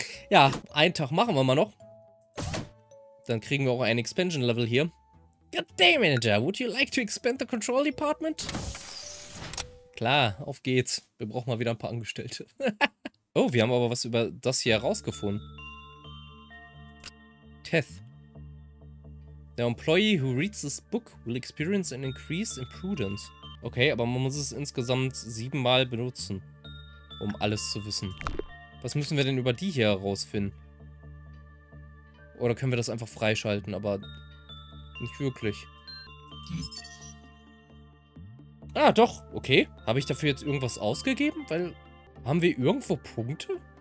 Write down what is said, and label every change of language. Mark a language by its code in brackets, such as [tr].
[de] Ja, einen Tag machen wir mal noch. Dann kriegen wir auch ein Expansion-Level hier. [en] Good day, Manager. Would you like to expand the control department? [de] Klar, auf geht's. Wir brauchen mal wieder ein paar Angestellte. Oh, wir haben aber was über das hier herausgefunden. Teth. [en] The employee who reads this book will experience an increase in prudence. [de] Okay, aber man muss es insgesamt 7 Mal benutzen, um alles zu wissen. Was müssen wir denn über die hier herausfinden? Oder können wir das einfach freischalten, aber nicht wirklich. Ah, doch, okay. Habe ich dafür jetzt irgendwas ausgegeben? Weil, haben wir irgendwo Punkte?